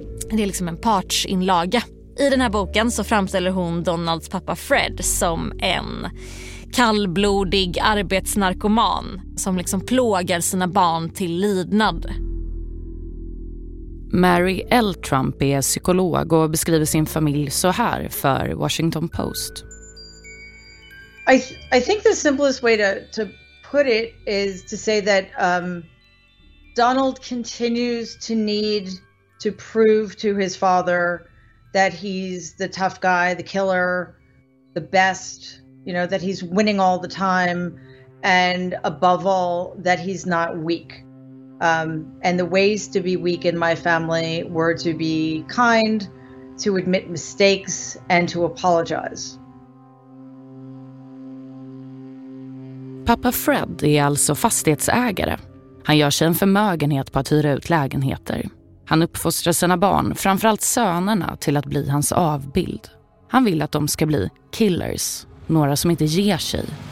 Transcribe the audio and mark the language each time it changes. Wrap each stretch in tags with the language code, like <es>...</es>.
<sv>Det är liksom en partsinlaga. I den här boken så framställer hon Donalds pappa Fred som en kallblodig arbetsnarkoman som liksom plågar sina barn till lidnad. Mary L. Trump är psykolog och beskriver sin familj så här för Washington Post.</sv> <en>I think the simplest way to put it is to say that Donald continues to need to prove to his father that he's the tough guy, the killer, the best, you know, that he's winning all the time, and above all that he's not weak. And the ways to be weak in my family were to be kind, to admit mistakes, and to apologize.</en> <sv>Pappa Fred är alltså fastighetsägare. Han gör sig en förmögenhet på att hyra ut lägenheter. Han uppfostrar sina barn, framförallt sönerna, till att bli hans avbild. Han vill att de ska bli killers, några som inte ger sig.</sv>